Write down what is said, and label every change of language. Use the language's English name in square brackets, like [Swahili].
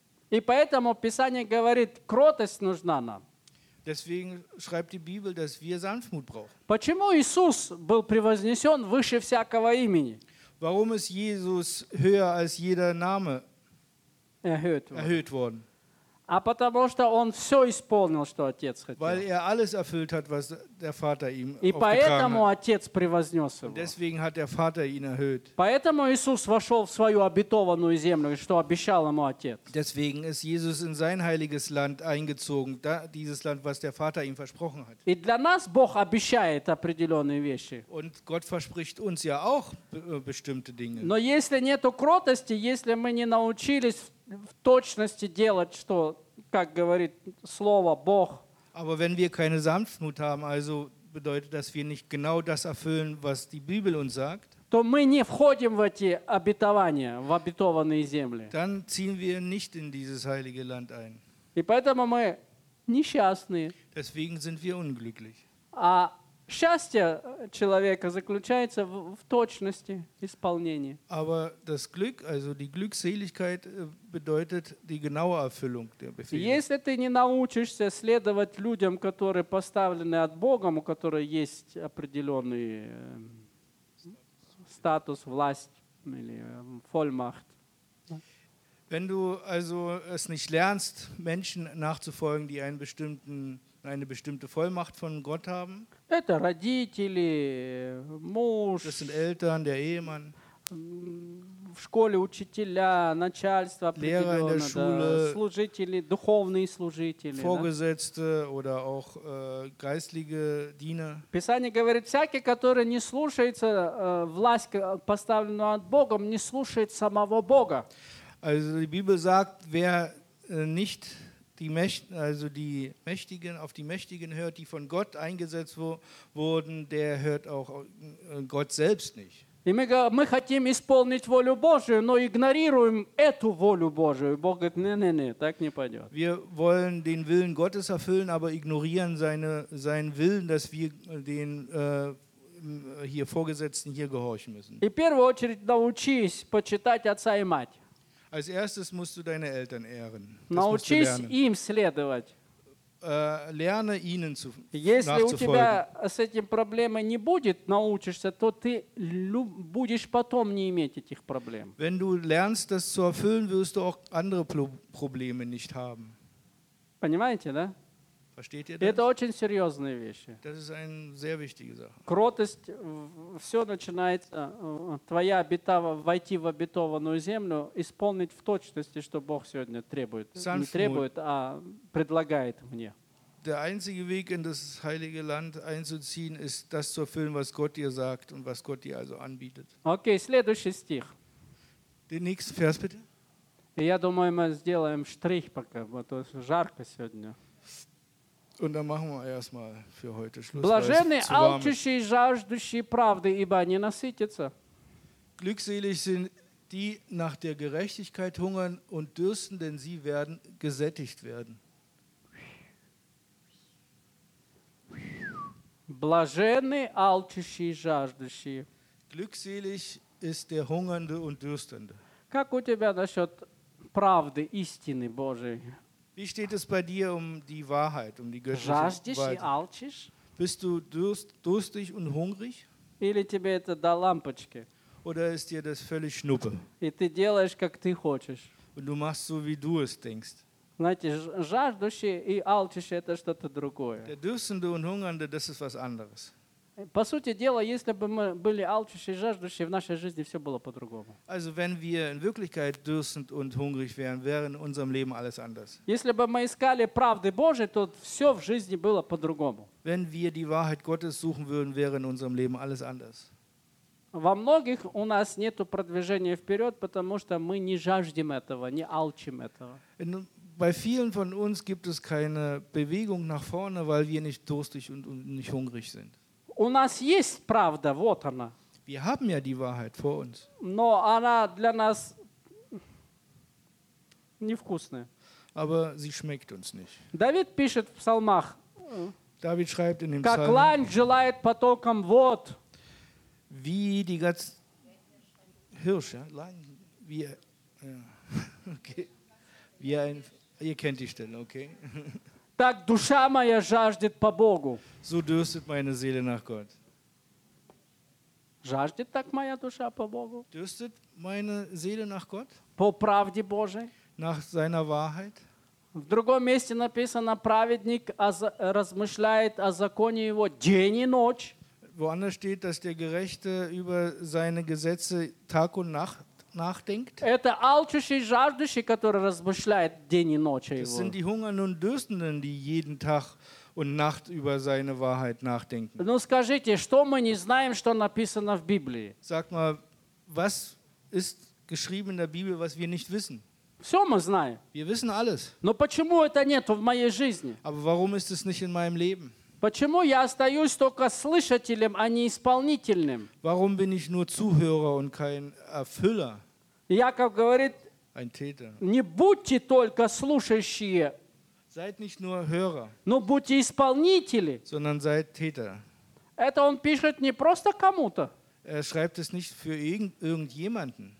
[Russian] И поэтому Писание говорит, кротость нужна нам. [German] Deswegen schreibt die Bibel, dass wir Sanftmut brauchen. [Russian] Почему Иисус был превознесен выше всякого имени? [German] Warum ist Jesus höher als jeder Name erhöht worden? [Russian] А потому что он все исполнил, что отец хотел. [German] Weil er alles erfüllt hat, was der Vater ihm [Russian] и поэтому отец превознес его. [German] Deswegen hat der Vater ihn erhöht. [Russian] Поэтому Иисус вошел в свою обетованную землю, что обещал ему отец. [German] Deswegen ist Jesus in sein heiliges Land eingezogen, dieses Land, was der Vater ihm versprochen hat. [Russian] И для нас Бог обещает определенные вещи. [German] Und Gott verspricht uns ja auch bestimmte Dinge. [Russian] Но если нету кротости, если мы не научились в точности делать, что, как говорит слово, Бог. [German] Aber wenn wir keine Sanftmut haben, also bedeutet, dass wir nicht genau das erfüllen, was die Bibel uns sagt, [Russian] то мы не входим в эти обетования, в обетованные земли. [German] Dann ziehen wir nicht in dieses heilige Land ein. [Russian] И поэтому мы несчастны. [German] Deswegen sind wir unglücklich. [Russian] А счастье человека заключается в точности исполнения. [German] Aber das Glück, also die Glückseligkeit, bedeutet die genaue Erfüllung der Befehle. [Russian] Если ты не научишься следовать людям, которые поставлены от Бога, у которых есть определенный статус, власть или Vollmacht. [German] Wenn du also es nicht lernst, Menschen nachzufolgen, die eine bestimmte Vollmacht von Gott haben. [Russian] Это родители, муж. [German] Das sind Eltern, der Ehemann. [Russian] в школе учителя, начальство определенное, да, служители, духовные служители. [German] Vorgesetzte, да? Oder auch, geistliche Diener. [Russian] Писание говорит, всякий, который не слушается власть, поставленную от Бога, не слушает самого Бога. [German] Also die Bibel sagt, wer nicht die Mächtigen, also die Mächtigen, auf die Mächtigen hört, die von Gott eingesetzt wurden, der hört auch Gott selbst nicht. [Russian] И мы хотим исполнить волю Божию, но игнорируем эту волю Божию. Бог говорит, не-не-не, так не пойдет. [German] Wir wollen den Willen Gottes erfüllen, aber ignorieren seinen Willen, dass wir den hier Vorgesetzten hier gehorchen müssen. [Russian] И в первую очередь научись почитать отца и мать. [German] Als erstes musst du deine Eltern ehren. [Russian] Научись им следовать. [German] Lerne ihnen zu [Russian] Если у тебя с этим проблемы не будет, научишься, то ты будешь потом не иметь этих проблем. [German] Wenn du lernst, das zu erfüllen, wirst du auch andere Probleme nicht haben. [Russian] Понимаете, да? [German] Versteht ihr das? [Russian] Это очень серьезные вещи. [German] Das ist eine sehr wichtige Sache. [Russian] Кротость, все начинается, твоя обетова, войти в обетованную землю, исполнить в точности, что Бог сегодня требует. [German] Sanftmut. [Russian] Не требует, а предлагает мне. [German] Der einzige Weg in das Heilige Land einzuziehen, ist das zu erfüllen, was Gott dir sagt und was Gott dir also anbietet. [Russian] Okay, следующий стих. [German] Den nächsten Vers, bitte. [Russian] Я думаю, мы сделаем Strich, пока, потому что жарко сегодня. [German] Und dann machen wir erstmal für heute Schluss. [Russian] Блаженны алчущие и жаждущие правды, ибо они насытятся. [German] Glückselig sind die nach der Gerechtigkeit hungern und dürsten, denn sie werden gesättigt werden. [Russian] Блаженны алчущие и жаждущие. [German] Glückselig ist der Hungernde und Dürstende. [Russian] Как у тебя насчет правды, истины Божией? [German] Wie steht es bei dir um die Wahrheit, um die göttliche Wahrheit? Bist du durstig und hungrig? Oder ist dir das völlig Schnuppe? Und du machst so, wie du es denkst. Der Dürstende und Hungernde, das ist was anderes. [Russian] По сути дела, если бы мы были алчущие, жаждущие, в нашей жизни все было по-другому. [German] Also wenn wir in Wirklichkeit dürstend und hungrig wären, wäre in unserem Leben alles anders. [Russian] Если бы мы искали правды Божьей, то все в жизни было по-другому. [German] Wenn wir die Wahrheit Gottes suchen würden, wäre in unserem Leben alles anders. [Russian] Во многих у нас нету продвижения вперед, потому что мы не жаждем этого, не алчим этого. [German] Bei vielen von uns gibt es keine Bewegung nach vorne, weil wir nicht durstig und nicht hungrig sind. [Russian] У нас есть правда, вот она. [German] Wir haben ja die Wahrheit vor uns. [Russian] Но она для нас невкусная. [German] Aber sie schmeckt uns nicht. [Russian] Давид пишет в псалмах. [German] David schreibt in dem Psalm. [Russian] Как лань желает потоком вод. [German] Wie die ganze Hirsch, ja? Lang, wie, ja. Okay. Wie ein, ihr kennt die Stelle, okay? [Russian] Так душа моя жаждет по Богу. [German] So dürstet meine Seele nach Gott. [Russian] Жаждет так моя душа по Богу? [German] Dürstet meine Seele nach Gott? [Russian] По правде Божией? [German] Nach seiner Wahrheit? [Russian] В другом месте написано, праведник размышляет о законе его день и ночь. [German] Woanders steht, dass der Gerechte über seine Gesetze Tag und Nacht nachdenkt. [Russian] Это алчущий, жаждущий, который размышляет день и ночь о его. [German] Das sind die Hungernden und Dürstenden, die jeden Tag und Nacht über seine Wahrheit nachdenken. [Russian] Ну скажите, что мы не знаем, что написано в Библии? [German] Sag mal, was ist geschrieben in der Bibel, was wir nicht wissen? [Russian] Все мы знаем. [German] Wir wissen alles. [Russian] Но почему это нет в моей жизни? [German] Aber warum ist es nicht in meinem Leben? [Russian] Почему я остаюсь только слышателем, а не исполнительным? [German] Warum bin ich nur Zuhörer und kein Erfüller? [Russian] Jakob говорит, [German] ein Täter. [Russian] Не будьте только слушающие. [German] Seid nicht nur Hörer. [Russian] Но будьте исполнители. [German] Sondern seid Täter. [Russian] Это он пишет не просто кому-то. [German] Er schreibt es nicht für irgendjemanden.